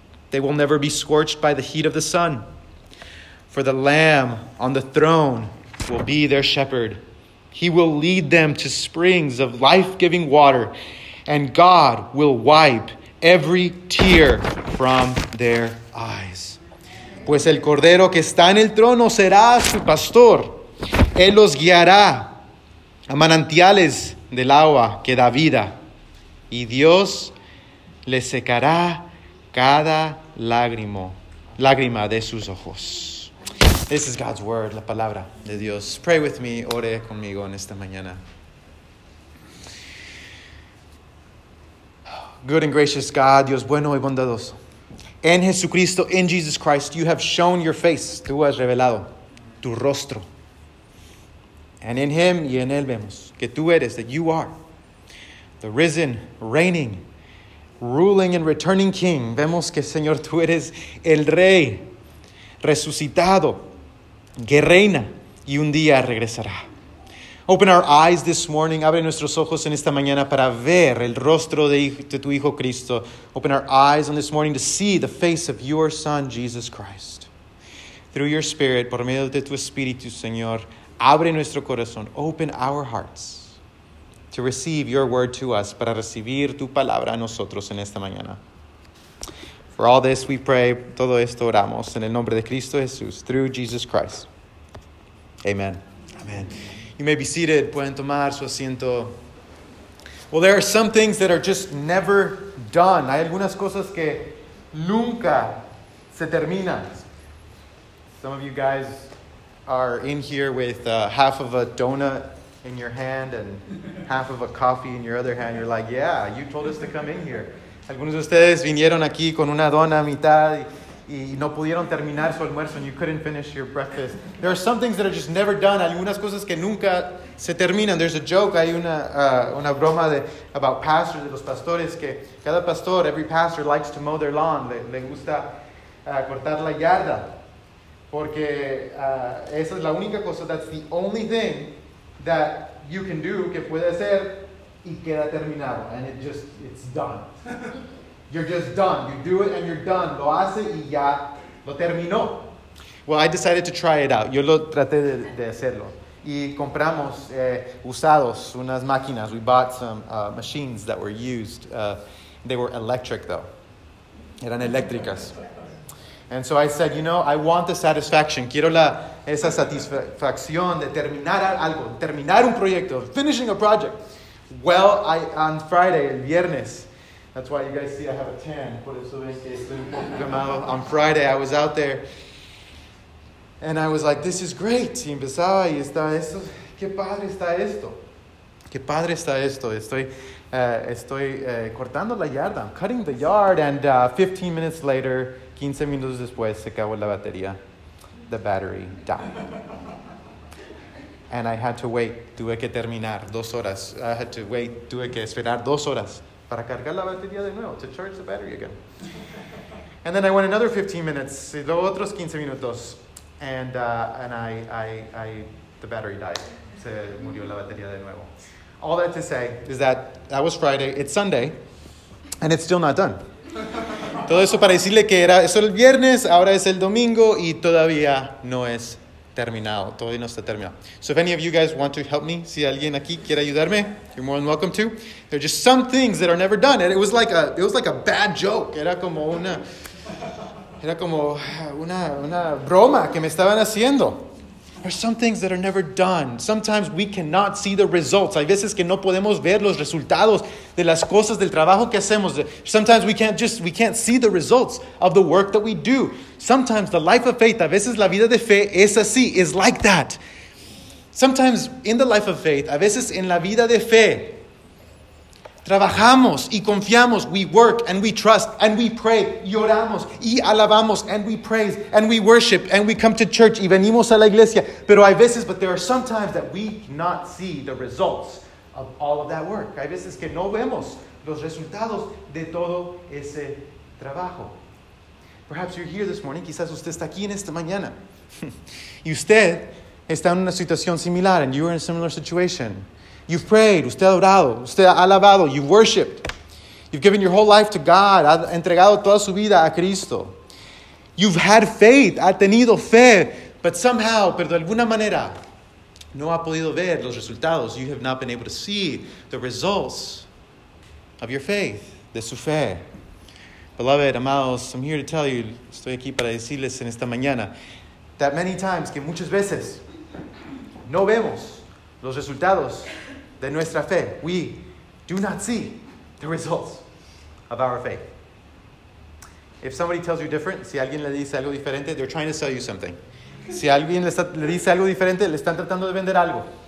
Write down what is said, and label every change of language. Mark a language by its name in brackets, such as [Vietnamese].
[English] They will never be scorched by the heat of the sun. For the Lamb on the throne will be their shepherd. He will lead them to springs of life-giving water, and God will wipe every tear from their eyes. [Spanish] Pues el Cordero que está en el trono será su pastor. Él los guiará a manantiales del agua que da vida. Y Dios le secará cada lágrima de sus ojos." [English] This is God's word, [Spanish] la palabra de Dios. [English] Pray with me, [Spanish] ore conmigo en esta mañana. [English] Good and gracious God, [Spanish] Dios bueno y bondadoso. En Jesucristo, [English] in Jesus Christ, you have shown your face. [Spanish] Tú has revelado tu rostro. [English] And in him [Spanish] y en él vemos que tú eres, [English] that you are the risen, reigning, ruling and returning King. [Spanish] Vemos que, Señor, tú eres el Rey resucitado, que reina y un día regresará. [English] Open our eyes this morning. [Spanish] Abre nuestros ojos en esta mañana para ver el rostro de tu Hijo Cristo. [English] Open our eyes on this morning to see the face of your Son, Jesus Christ. Through your Spirit, [Spanish] por medio de tu Espíritu, Señor, abre nuestro corazón. [English] Open our hearts to receive your word to us, [Spanish] para recibir tu palabra a nosotros en esta mañana. [English] For all this we pray, [Spanish] todo esto oramos, en el nombre de Cristo Jesús, [English] through Jesus Christ. Amen. Amen. You may be seated. [Spanish] Pueden tomar su asiento. [English] Well, there are some things that are just never done. [Spanish] Hay algunas cosas que nunca se terminan. [English] Some of you guys are in here with half of a donut in your hand and half of a coffee in your other hand. You're like, "Yeah, you told us to come in here." [Spanish] Algunos de ustedes vinieron aquí con una dona a mitad y no pudieron terminar su almuerzo, [English] and you couldn't finish your breakfast. There are some things that are just never done. [Spanish] Algunas cosas que nunca se terminan. [English] There's a joke, [Spanish] hay una broma [English] about pastors, [Spanish] de los pastores, que cada pastor, [English] every pastor likes to mow their lawn. [Spanish] Le gusta cortar la yarda. Porque esa es la única cosa, [English] that's the only thing that you can do, [Spanish] que puede hacer, y queda terminado. [English] And it's done. You're just done. You do it and you're done. [Spanish] Lo hace y ya lo terminó. [English] Well, I decided to try it out. [Spanish] Yo lo traté de hacerlo. Y compramos usados unas máquinas. [English] We bought some machines that were used. They were electric, though. [Spanish] Eran eléctricas. [English] And so I said, I want the satisfaction. [Spanish] Quiero esa satisfacción de terminar algo, terminar un proyecto, [English] finishing a project. Well, on Friday, [Spanish] el viernes, [English] that's why you guys see I have a tan. [Spanish] Por eso ven que estoy un poco quemado. [English] On Friday, I was out there, and I was like, "This is great." [Spanish] Y empezaba y está esto. Qué padre está esto. Qué padre está esto. Estoy cortando la yarda. [English] I'm cutting the yard, and 15 minutes later, [Spanish] 15 minutos después, se acabó la batería. [English] The battery died. And I had to wait. [Spanish] Tuve que terminar 2 horas. [English] I had to wait. [Spanish] Tuve que esperar 2 horas Para cargar la batería de nuevo, [English] to charge the battery again. And then I went another 15 minutes, [Spanish] y luego otros 15 minutos, [English] and the battery died. [Spanish] Se murió la batería de nuevo. [English] All that to say is that that was Friday, it's Sunday, and it's still not done. [Spanish] Todo eso para decirle que era eso el viernes, ahora es el domingo, y todavía no es terminado. Todavía no está terminado. [English] So if any of you guys want to help me, [Spanish] si alguien aquí quiere ayudarme, [English] you're more than welcome to. There are just some things that are never done. And it was like a bad joke. [Spanish] Era como una broma que me estaban haciendo. [English] There are some things that are never done. Sometimes we cannot see the results. [Spanish] Hay veces que no podemos ver los resultados de las cosas del trabajo que hacemos. [English] Sometimes we can't see the results of the work that we do. Sometimes the life of faith, [Spanish] a veces la vida de fe es así, [English] is like that. Sometimes in the life of faith, [Spanish] a veces en la vida de fe, trabajamos y confiamos, [English] we work and we trust and we pray, [Spanish] y oramos y alabamos [English] and we praise and we worship and we come to church [Spanish] y venimos a la iglesia. Pero hay veces, [English] but there are some times that we cannot see the results of all of that work. [Spanish] Hay veces que no vemos los resultados de todo ese trabajo. [English] Perhaps you're here this morning, [Spanish] quizás usted está aquí en esta mañana. Y usted está en una situación similar, [English] and you are in a similar situation. You've prayed, [Spanish] usted ha orado, usted ha alabado, [English] you've worshipped. You've given your whole life to God, [Spanish] ha entregado toda su vida a Cristo. [English] You've had faith, [Spanish] ha tenido fe, [English] but somehow, [Spanish] pero de alguna manera, no ha podido ver los resultados. [English] You have not been able to see the results of your faith, [Spanish] de su fe. [English] Beloved, [Spanish] amados, [English] I'm here to tell you, [Spanish] estoy aquí para decirles en esta mañana, [English] that many times, [Spanish] que muchas veces, no vemos los resultados de nuestra fe. [English] We do not see the results of our faith. If somebody tells you different, [Spanish] si alguien le dice algo diferente, [English] they're trying to sell you something. [Spanish] Si alguien le dice algo diferente, le están tratando de vender algo.